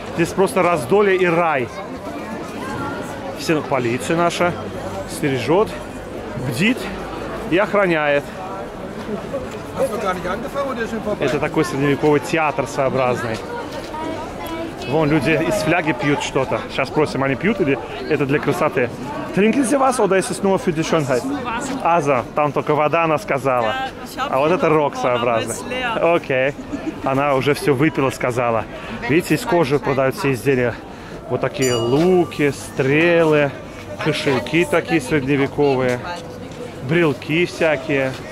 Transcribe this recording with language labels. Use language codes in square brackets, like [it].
[ru] Здесь просто раздолье и рай. Все, полиция наша стережет, бдит и охраняет. Это такой средневековый театр своеобразный. Вон люди из фляги пьют что-то. Сейчас спросим, они пьют или это для красоты. [de] Trinken Sie was oder ist es nur für die Schönheit? [ru] Also, там только вода, она сказала. А вот это рок своеобразный. Окей. Она уже все выпила, сказала. Видите, из кожи продают все изделия. Вот такие луки, стрелы, кошельки такие средневековые, брелки всякие.